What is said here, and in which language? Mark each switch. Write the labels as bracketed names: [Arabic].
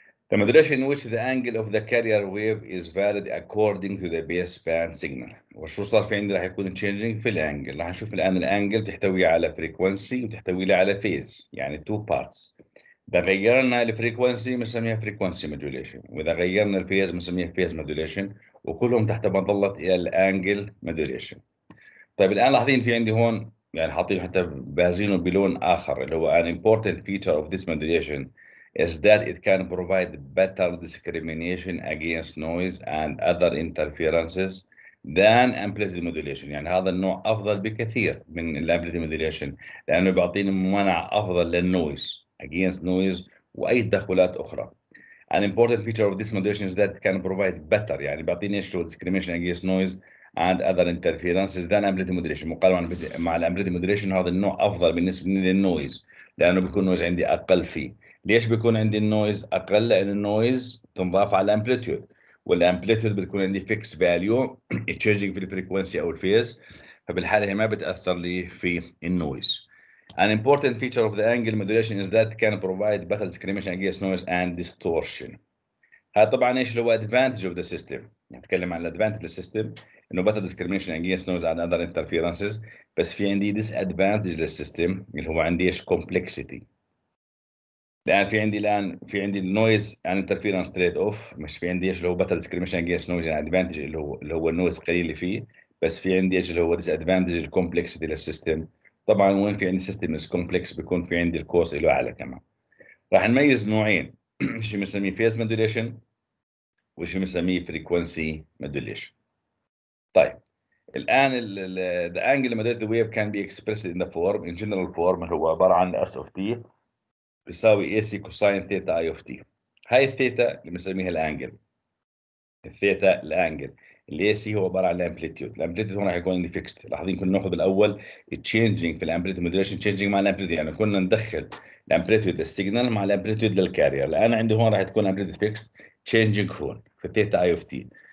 [English] The modulation in which the angle of the carrier wave is varied according to the baseband signal. [Arabic] وشو صار في عندي راح يكون changing في الانجل. راح نشوف الان الانجل تحتوي على frequency وتحتوي لي على phase، يعني [English] two parts. [Arabic] إذا غيرنا الفريكونسي بنسميها [English] frequency modulation، [Arabic] وإذا غيرنا الفيز بنسميها [English] phase modulation، [Arabic] وكلهم تحت مظلة الانجل modulation. طيب الان لاحظين في عندي هون يعني حاطين حتى بازينه بلون آخر اللي هو [English] an important feature of this modulation is that it can provide better discrimination against noise and other interferences than amplitude modulation. [Arabic] يعني هذا النوع أفضل بكثير من [English] amplitude modulation [Arabic] لأنه بيعطيني منع أفضل للنويز against noise وأي تدخلات أخرى. [English] An important feature of this modulation is that it can provide better [Arabic] يعني بيعطيني شو [English] discrimination against noise and other interferences than amplitude modulation. [Arabic] مقارنة مع الامبليتيود مودوليشن هذا النوع افضل بالنسبه للنويز، لانه بيكون النويز عندي اقل فيه. ليش بيكون عندي النويز اقل؟ لان النويز تنضاف على الامبليتيود، والامبليتيود بتكون عندي فيكس فاليو تشينجينج في الفريكوانسي او الفيز، فبالحاله هي ما بتاثر لي في النويز. [English] An important feature of the angle modulation is that can provide better discrimination against noise and distortion. [Arabic] هذا طبعا ايش اللي هو [English] advantage of the system؟ [Arabic] نتكلم عن advantage of the system انه [English] better discrimination against noise and other interferences، [Arabic] بس في عندي disadvantage للسيستم اللي هو عندي ايش complexity. لان في عندي الان في عندي [English] noise and interference trade off، [Arabic] مش في عندي ايش اللي هو [English] better discrimination against noise [Arabic] and advantage اللي هو noise قليل فيه، بس في عندي ايش اللي هو disadvantage complexity للسيستم. طبعا وين في عندي [English] system is complex [Arabic] بيكون في عندي الكوست له اعلى كمان. راح نميز نوعين، شيء بنسميه phase modulation وشيء بنسميه frequency modulation. [English] طيب الان the angle of the wave can be expressed in the form in general form [Arabic] هو عباره عن [English] s of t يساوي ac cosine theta i of t. [Arabic] هاي الثيتا اللي بنسميها الانجل، الثيتا الانجل اللي ac هو عباره عن الامبليتيود. الامبليتيود هون راح يكون عندي فيكست. لاحظين كنا ناخذ الاول changing في الامبليتيود مودوليشن changing مع الامبليتيود، يعني كنا ندخل الامبليتيود للسيجنال مع الامبليتيود للكارير. الان عندي هون راح تكون امبليتيود فيكست changing هون في الثيتا i of t.